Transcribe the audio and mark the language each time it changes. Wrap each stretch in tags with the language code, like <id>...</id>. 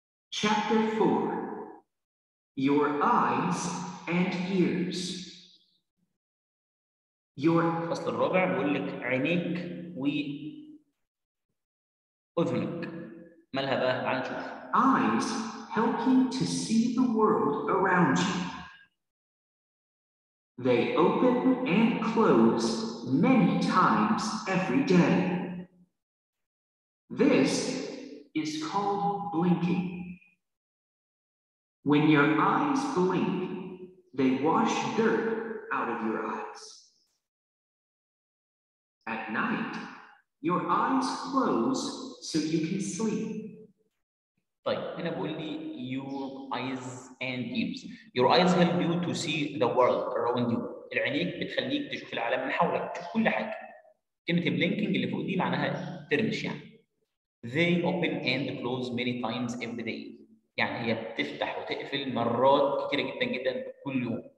<en>Chapter 4. Your eyes and ears. Your</en> <ar>فصل الرابع بيقول لك عينيك وأذنك. مالها بقى؟ تعال نشوف.</ar> <en>Eyes help you to see the world around you. They open and close many times every day. This is called blinking. When your eyes blink, they wash dirt out of your eyes. At night, your eyes close so you can sleep.</en> <ar>طيب هنا بقول لي</ar> <en>your eyes and ears. Your eyes help you to see the world around you.</en> <ar>العينيك بتخليك تشوف العالم من حولك، تشوف كل حاجه. كلمه blinking اللي فوق دي معناها ترمش يعني.</ar> <en>They open and close many times every day.</en> <ar>يعني هي بتفتح وتقفل مرات كتيره جدا جدا كل يوم.</ar>